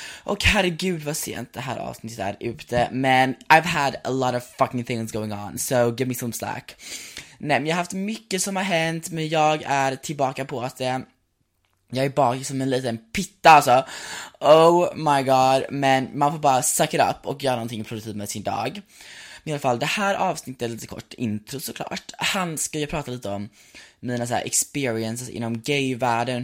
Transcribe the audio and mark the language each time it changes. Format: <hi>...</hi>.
<sv>Och herregud vad sent det här avsnittet är ute.</sv> <en>Men I've had a lot of fucking things going on, so give me some slack.</en> <sv>Nej, men jag har haft mycket som har hänt, men jag är tillbaka på att det. Jag är bara som en liten pitta alltså.</sv> <en>Oh my god.</en> <sv>Men man får bara</sv> <en>suck it up</en> <sv>och göra någonting produktivt med sin dag. Men i alla fall, det här avsnittet är lite kort intro såklart. Han ska ju prata lite om mina så här experiences inom gay-världen.</sv>